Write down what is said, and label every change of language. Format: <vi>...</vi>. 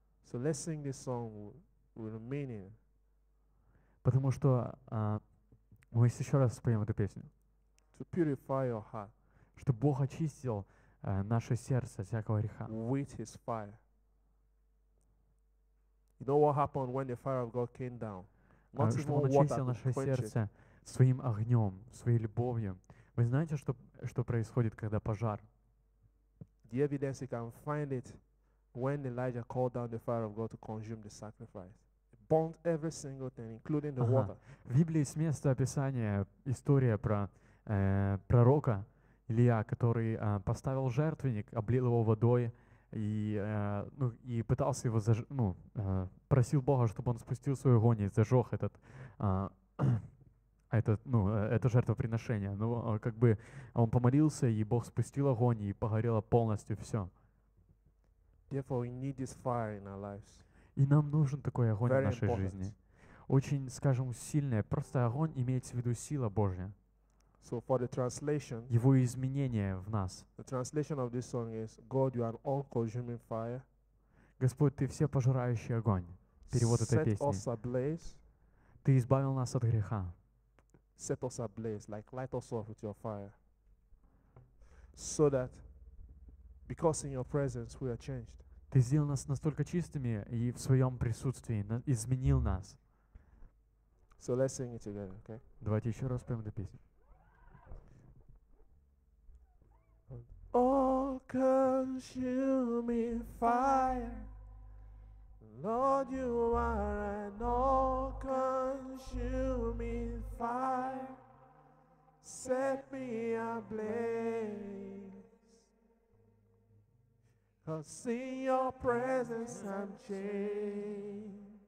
<en>So let's sing this song with meaning.</en> <ru>Потому что мы еще раз споем эту песню.</ru> <en>To purify your heart.</en> <ru>Чтобы Бог очистил наше сердце всякого греха.</ru> <en>With his fire. You know what happened when the fire of God came down? Not even water.</en> <ru>Он очистил наше сердце своим огнем, своей любовью. Вы знаете, что происходит, когда пожар?</ru> <en>The evidence you can find it when Elijah called down the fire of God to consume the sacrifice. It burned every single thing, including the water.</en> <ru>В Библии есть место описания, история про пророка Илия, который поставил жертвенник, облил его водой и пытался его просил Бога, чтобы он спустил свой огонь и зажег это жертвоприношение. Ну, как бы он помолился, и Бог спустил огонь, и погорело полностью все.</ru> <en>Therefore, we need this fire in our lives.</en> <ru>И нам нужен такой огонь</ru> <en>Very</en> <ru>в нашей</ru> <en>important.</en> <ru>Жизни. Очень, скажем, сильный. Просто огонь имеется в виду сила Божья.</ru> <en>So for the translation,</en> <ru>его изменение в нас.</ru> <en>The translation of this song is, God, you are all-consuming fire.</en> <ru>Господь, ты все пожирающий огонь. Перевод</ru> <en>Set</en> <ru>этой песни.</ru> <en>Set us ablaze.</en> <ru>Ты избавил нас от греха.</ru> <en>Set us ablaze, like light us up with your fire. So that, because in your presence we are changed.</en> <ru>Ты сделал нас настолько чистыми и в своем присутствии изменил нас.</ru> <en>So let's sing it together, okay?</en> <ru>Давайте еще раз поем эту песню.</ru> <en>All consuming fire, Lord, you are an all consuming fire. Set me ablaze, 'cause in your presence I'm changed.</en>